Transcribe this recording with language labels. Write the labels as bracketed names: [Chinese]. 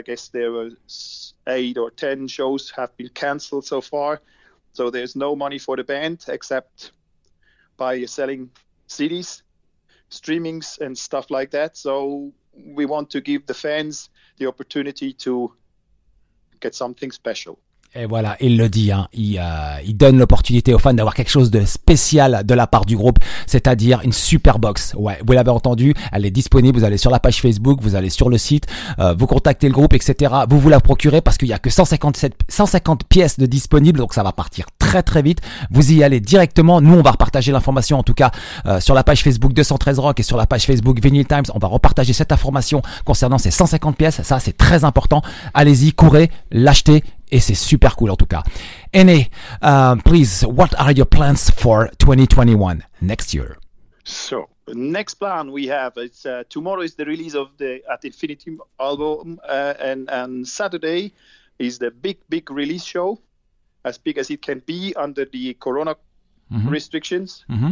[English] I guess there were 8 or 10 shows have been cancelled so far. So there's no money for the band except by selling CDs, streamings and stuff like that. So we want to give the fans the opportunity to get something special. [French] Et voilà, il le dit, hein. Il donne l'opportunité aux fans d'avoir quelque chose de spécial de la part du groupe, c'est-à-dire une super box. Ouais, vous l'avez entendu, elle est disponible. Vous allez sur la page Facebook, vous allez sur le site, vous contactez le groupe, etc. Vous la procurez parce qu'il y a que 150 pièces de disponibles, donc ça va partir très très vite. Vous y allez directement. Nous, on va repartager l'information, en tout cas, sur la page Facebook 213 Rock et sur la page Facebook Vinyl Times. On va repartager cette information concernant ces 150 pièces. Ça, c'est très important. Allez-y, courez, l'achetez. Et c'est super cool en tout cas. [English] Ene, please, what are your plans for 2021, next year? So, next plan we have, it's tomorrow is the release of the At Infinity album, and Saturday is the big, big release show, as big as it can be under the corona restrictions.